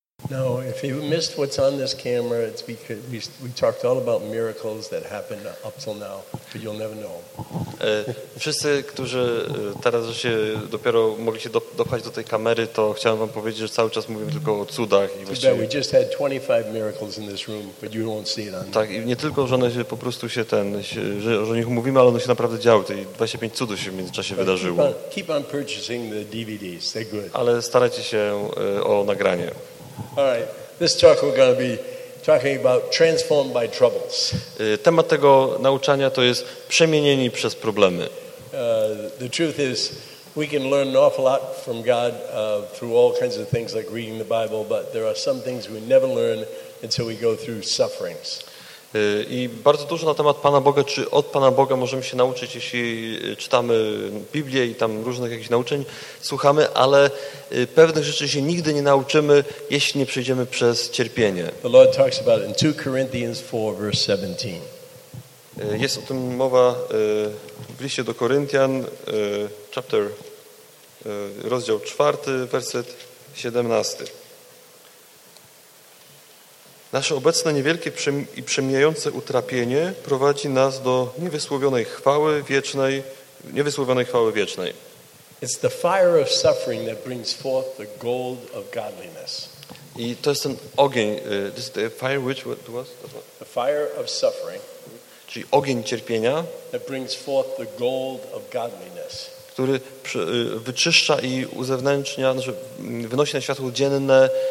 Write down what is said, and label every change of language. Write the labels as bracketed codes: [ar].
[en] No, if you missed what's on this camera, it's because we talked all about miracles that happened up till now, but you'll never know. [pl] Wszyscy, którzy teraz się dopiero mogli się dopchać do tej kamery, to chciałem wam powiedzieć, że cały czas mówimy tylko o cudach. [en] We just had 25 miracles in this room, but you won't see it on. [pl] Tak, i nie tylko, że one się po prostu się ten, że o nich mówimy, ale one się naprawdę działy. Te 25 cudów się w międzyczasie wydarzyło. [en] Keep on purchasing the DVDs. They're good. [pl] Ale starajcie się o nagranie. [en] All right. This talk we're going to be talking about transformed by troubles. [pl] Temat tego nauczania to jest przemienieni przez problemy. [en] The truth is we can learn an awful lot from God through all kinds of things like reading the Bible, but there are some things we never learn until we go through sufferings. [pl] I bardzo dużo na temat Pana Boga, czy od Pana Boga możemy się nauczyć, jeśli czytamy Biblię i tam różnych jakichś nauczeń słuchamy, ale pewnych rzeczy się nigdy nie nauczymy, jeśli nie przejdziemy przez cierpienie. [en] The Lord talks about it in 2 Corinthians 4, verse 17. [pl] Jest o tym mowa w liście do Koryntian, chapter, rozdział 4, werset 17. Nasze obecne niewielkie i przemijające utrapienie prowadzi nas do niewysłowionej chwały wiecznej, niewysłowionej chwały wiecznej. [en] It's the fire of suffering that brings forth the gold of godliness. [pl] I to jest ten ogień, [en] this is the fire which was the fire of suffering. [pl] Czyli ogień cierpienia, [en] that brings forth the gold of godliness. [pl] Który wyczyszcza i uzewnętrznia, znaczy wynosi na światło dzienne